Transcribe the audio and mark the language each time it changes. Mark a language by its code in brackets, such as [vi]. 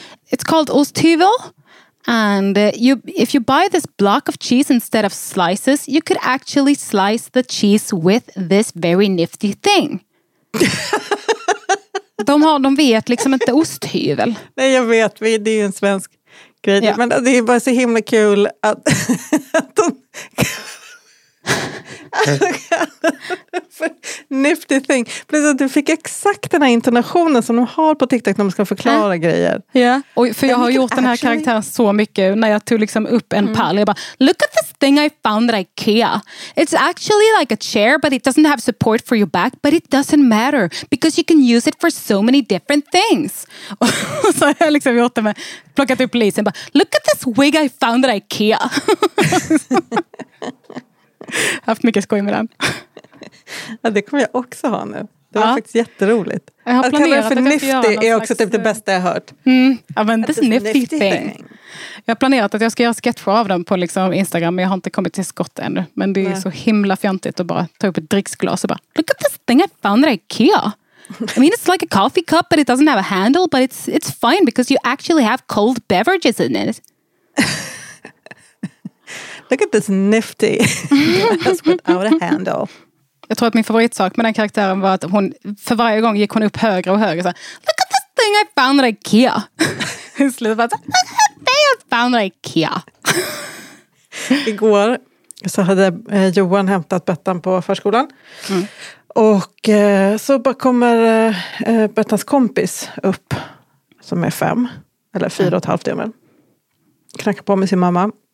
[en] It's called osthyvel and you if you buy this block of cheese instead of slices, you could actually slice the cheese with this very nifty thing." [sv] de vet liksom inte osthyvel. Nej, jag vet, det är ju en svensk grej. Yeah. Men det är bara så himla kul att de nifty thing. Plus att du fick exakt den här intonationen som de har på TikTok när man ska förklara grejer. Ja, yeah. För jag har gjort den här karaktären så mycket när jag tog liksom upp en pall. Jag bara, [en] "Look at this thing I found at IKEA. It's actually like a chair, but it doesn't have support for your back, but it doesn't matter because you can use it for so many different things." [sv] Och så har jag liksom gjort det med plockat upp Lisa och bara, [en] "Look at this wig I found at IKEA." [sv] Jag har haft mycket skoj med den. Ja, det kommer jag också ha nu. Det var faktiskt jätteroligt. Jag har planerat för att nifty är också typ det bästa jag hört. Ja, men det är nifty thing. Jag har planerat att jag ska göra sketcher av dem på liksom Instagram, men jag har inte kommit till skott ännu. Men det är så himla fjantigt att bara ta upp ett dricksglas och bara [en] "Look at this thing I found at IKEA. I mean, it's like a coffee cup, but it doesn't have a handle, but it's fine because you actually have cold beverages in it." "Look at this nifty glass without a handle." [sv] Jag tror att min favoritsak med den karaktären var att hon för varje gång gick hon upp högre och högre och sa, [en] "Look at this thing I found at IKEA." [sv] I slutet bara, [en] "Look at this thing I found at IKEA." [sv] Igår så hade Johan hämtat Bettan på förskolan. Och så bara kommer Bettans kompis upp som är 5 eller 4,5 det men. Knackar på med sin mamma.